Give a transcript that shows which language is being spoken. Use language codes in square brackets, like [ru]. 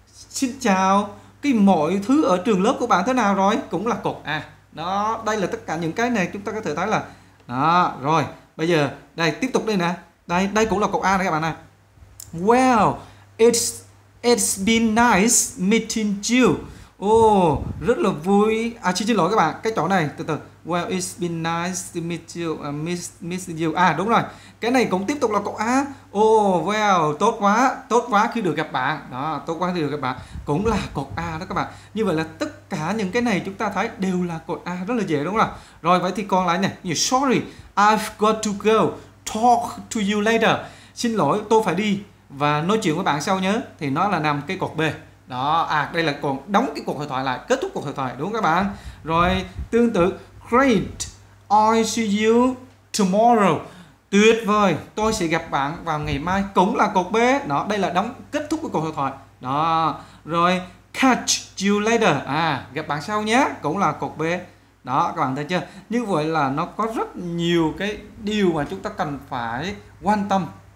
[vi] Xin chào, cái mọi thứ ở trường lớp của bạn thế nào rồi? Cũng là cột A. Đó, đây là tất cả những cái này chúng ta có thể thấy là đó, rồi. Bây giờ đây tiếp tục đây nè. Đây cũng là cột A này các bạn này. [en] Well, it's been nice meeting you. [vi] Rất là vui. À xin lỗi các bạn, cái chỗ này từ từ. [en] Well, it's been nice to meet you, miss you. [vi] À đúng rồi. Cái này cũng tiếp tục là cột A. Tốt quá khi được gặp bạn. Đó, tốt quá khi được gặp bạn. Cũng là cột A đó các bạn. Như vậy là tất cả những cái này chúng ta thấy đều là cột A, rất là dễ đúng không? Rồi vậy thì còn lại này. [en] Như sorry, I've got to go. Talk to you later. [vi] Xin lỗi, tôi phải đi và nói chuyện với bạn sau nhé. Thì nó là nằm cái cột B. Đó, à đây là còn đóng cái cuộc hội thoại lại, kết thúc cuộc hội thoại đúng không các bạn? Rồi, tương tự [en] great, I see you tomorrow. [vi] Tuyệt vời, tôi sẽ gặp bạn vào ngày mai, cũng là cột B. Đó, đây là đóng kết thúc cuộc hội thoại. Đó, rồi [en] catch you later. [vi] À, gặp bạn sau nhé, cũng là cột B. Đó, các bạn thấy chưa? Như vậy là nó có rất nhiều cái điều mà chúng ta cần phải quan tâm.